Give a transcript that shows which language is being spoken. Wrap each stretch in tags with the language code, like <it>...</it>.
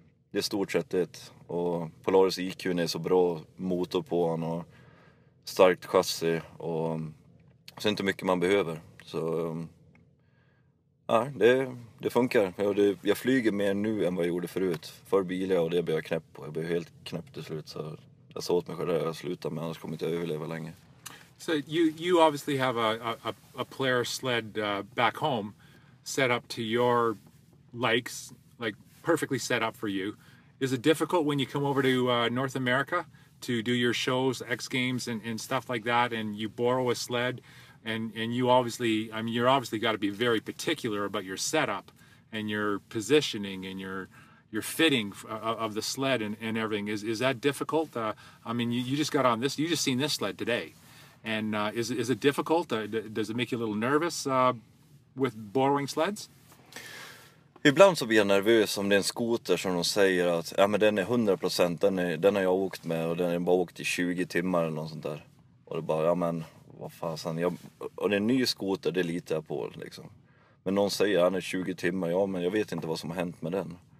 <sv>Det är stort sett det. Och Polaris IQ är så bra motor på han och starkt chassi och så inte mycket man behöver. Så ja, det funkar. Jag flyger mer nu än vad jag gjorde förut. För bilar och det blev jag knäpp på. Jag blev helt knäpp till slut, så jag sa åt mig själv att jag slutar, men annars kommer inte jag överleva länge.</sv> <en>So you obviously have a player sled back home set up to your likes, like perfectly set up for you. Is it difficult when you come over to North America to do your shows, X Games and stuff like that, and you borrow a sled, and you obviously, I mean, you're obviously got to be very particular about your setup and your positioning and your fitting of the sled and everything. Is that difficult? I mean, you just got on this, you just seen this sled today, and is it difficult? Does it make you a little nervous with borrowing sleds?</en> <sv>Ibland så blir jag nervös om det är en skoter som de säger att ja, men den är 100%, den har jag åkt med och den har bara åkt i 20 timmar eller något sånt där. Och det bara, ja men, vad fasen. Och det är en ny skoter, det litar jag på liksom. Men någon säger att den är 20 timmar, ja men jag vet inte vad som har hänt med den.</sv>